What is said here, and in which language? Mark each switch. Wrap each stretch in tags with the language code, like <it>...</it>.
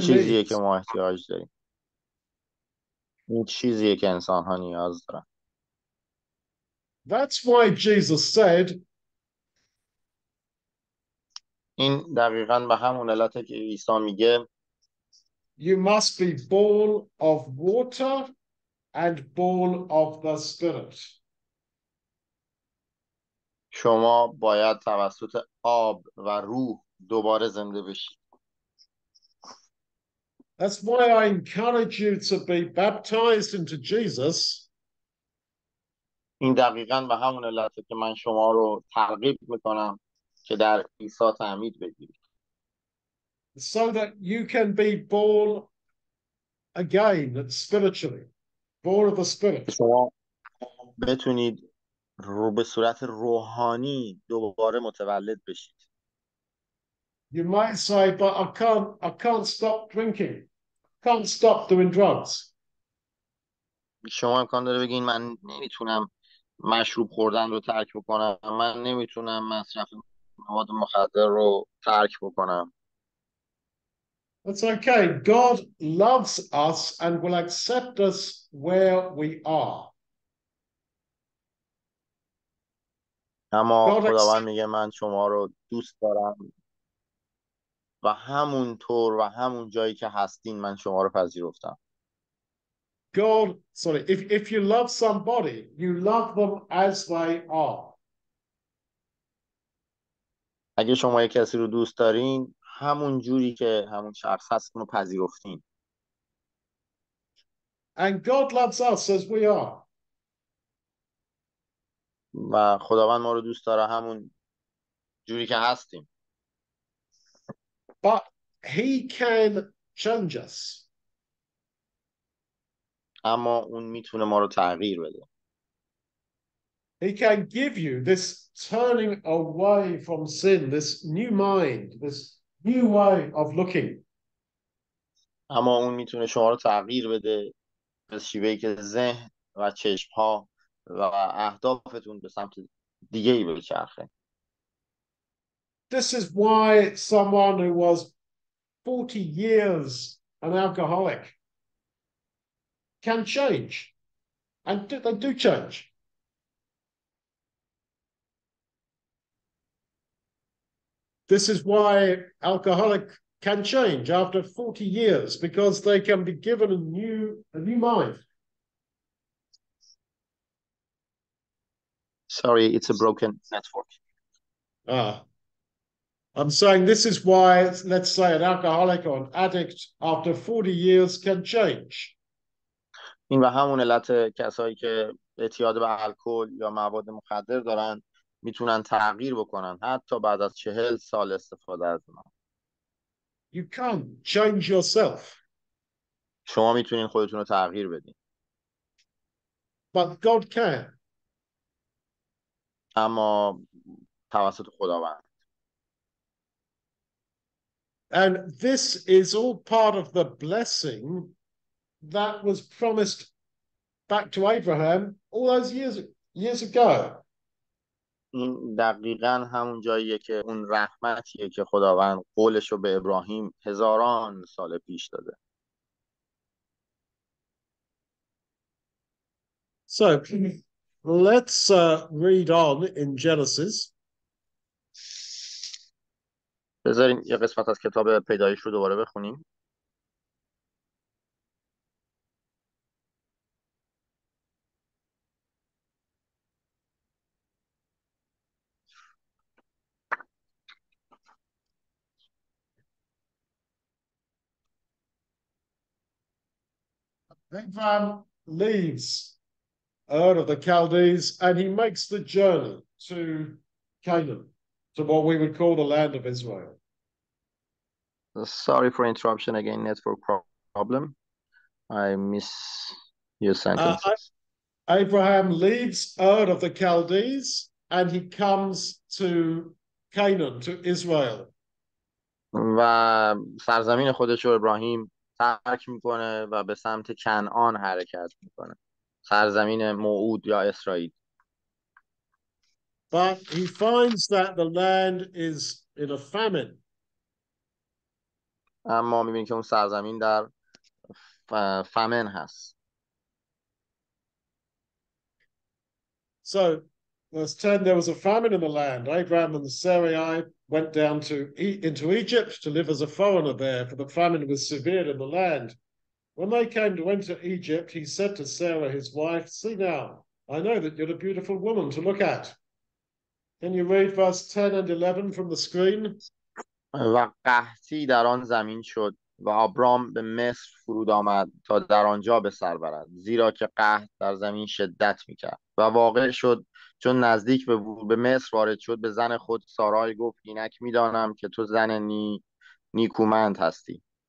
<fa>چیزیه</fa> <en>needs.</en> <fa>که ما احتیاج داریم. اون چیزیه که انسان ها نیاز دارن.</fa> <en>That's why Jesus said.</en> <fa>این دقیقا به همون علته که عیسی میگه</fa> <en>You must be born of water and born of the Spirit.</en> <fa>شما باید توسط آب و روح دوباره زنده بشید.</fa> <en>That's why I encourage you to be baptized into Jesus.</en> <fa>این دقیقا به همون علت که من شما رو ترغیب میکنم که در عیسی تعمید بگیرید.</fa> <en>So that you can be born again, spiritually, born of the Spirit.</en> <fa>شما بتونید رو به صورت روحانی دوباره متولد بشید.</fa> <en>You might say, but I can't stop drinking. Can't stop doing drugs.</en> <fa>شما امکان داره بگین من نمیتونم مشروب خوردن رو ترک بکنم، من نمیتونم مصرف مواد مخدر رو ترک بکنم.</fa> <en>That's okay. God loves us and will accept us where we are.</en> <fa>اما</fa> <en>God</en> <fa>خداوند</fa> <en>accepts.</en> <fa>میگه من شما رو دوست دارم و همون طور و همون جایی که هستین من شما رو پذیرفتم.</fa> <en>God, sorry, if you love somebody, you love them as they are.</en> <fa>اگه شما یک کسی رو دوست دارین همون جوری که همون شخص هست رو پذیرفتین.</fa> <en>And God loves us as we are.</en> <fa>و خداوند ما رو دوست داره همون جوری که هستیم.</fa> <en>But he can change us.</en> <fa>اما اون میتونه ما رو تغییر بده.</fa> <en>He can give you this turning away from sin, this new mind, this new way of looking.</en> <fa>اما اون میتونه شما رو تغییر بده به شیوهی که ذهن و چشم ها و اهدافتون به سمت دیگه ای بچرخه.</fa> <en>This is why someone who was 40 years an alcoholic can change. And they do change. This is why alcoholic can change after 40 years, because they can be given a new mind. Sorry, it's a broken network. I'm saying this is why, let's say, an alcoholic or an addict after 40 years can change.</en> <fa>این به همون علت کسایی که اعتیاد به الکل یا مواد مخدر دارن میتونن تغییر بکنن حتی بعد از 40 سال استفاده از من.</fa> <en>You can't change yourself.</en> <fa>شما میتونین خودتون رو تغییر بدین.</fa> <en>But God can.</en> <fa>اما توسط خداوند.</fa> <en>And this is all part of the blessing that was promised back to Abraham all those years ago.</en> <fa>این دقیقا همون جاییه که اون رحمتیه که خداوند قولش رو به ابراهیم هزاران سال پیش داده.</fa> <en>So let's read on in Genesis.</en> <fa>بذارین یه قسمت از کتاب پیدایش رو دوباره بخونیم.</fa> <en>Abraham leaves Ur of the Chaldees and he makes the journey to Canaan, to what we would call the land of Israel. Sorry for interruption again, network problem. I miss your sentences. Abraham leaves Ur of the Chaldees and he comes to Canaan, to Israel.</en> <fa>و سرزمین خودش ابراهیم ترک میکنه و به سمت کنعان حرکت میکنه. سرزمین موعود یا اسرائیل.</fa> <en>But he finds that the land is in a famine.</en> <fa>اما میبینی که اون سرزمین در فمن هست.</fa> <en>So, verse 10, there was a famine in the land. Abraham and the Sarai went down to into Egypt to live as a foreigner there, for the famine was severe in the land. When they came to enter Egypt, he said to Sarah, his wife, see now, I know that you're a beautiful woman to look at. Can you read verse 10 and 11 from the screen?</en> <fa>و قحطی در آن زمین شد و ابرام به مصر فرود آمد تا در آنجا به سر برد، زیرا که قحط در زمین شدت میکرد. و واقع شد چون نزدیک به مصر وارد شد، به زن خود سارای گفت اینک میدانم که تو زن نیکومند هستی.</fa>